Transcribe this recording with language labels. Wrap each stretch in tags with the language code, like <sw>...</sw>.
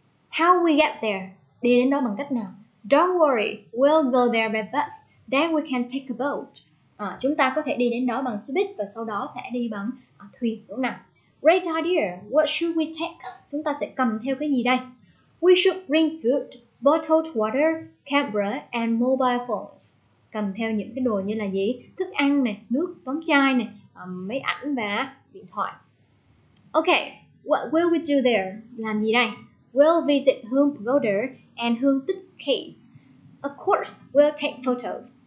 <en>How we get there?</en> <vi>Đi đến đó bằng cách nào?</vi> <en>Don't worry, we'll go there by bus. Then we can take a boat.</en> <vi>Chúng ta có thể đi đến đó bằng xe buýt và sau đó sẽ đi bằng thuyền đúng không nào?</vi> <en>Great idea. What should we take?</en> <vi>Chúng ta sẽ cầm theo cái gì đây?</vi> <en>We should bring food, bottled water, camera and mobile phones.</en> <vi>Cầm theo những cái đồ như là gì? Thức ăn này, nước đóng chai này, máy ảnh và điện thoại.</vi> <en>Okay, what will we do there?</en> <vi>Làm gì đây?</vi> <en>We'll visit Hương Pagoda and Hương Tích Cave. Of course, we'll take photos.</en>